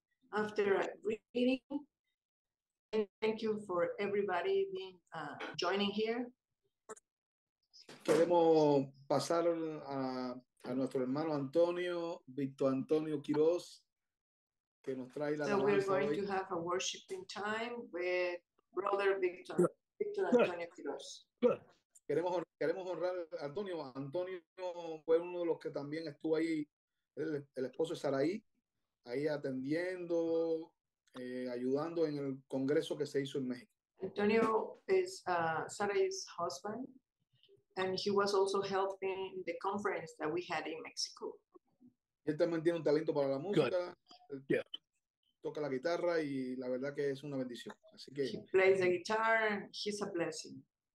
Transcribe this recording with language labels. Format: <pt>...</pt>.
<en>After a greeting, thank you for everybody being joining here.</en> <es>Queremos pasar a nuestro hermano Antonio, Víctor Antonio Quiroz, que nos trae la so alabanza hoy.</es> <en>So we're going to have a worshiping time with brother Víctor Antonio Quiroz.</en> <es>Queremos honrar a Antonio. Antonio fue uno de los que también estuvo ahí, el esposo de Saraí, ahí atendiendo, ayudando en el congreso que se hizo en México.</es> <en>Antonio is Saraí's husband. And he was also helping the conference that we had in Mexico.</en> <es>Él también tiene un talento para la música.</es> <en>Good. Yeah.</en> <es>Toca la guitarra y la verdad que es una bendición. Así que,</es> <en>he plays the guitar and he's a blessing.</en>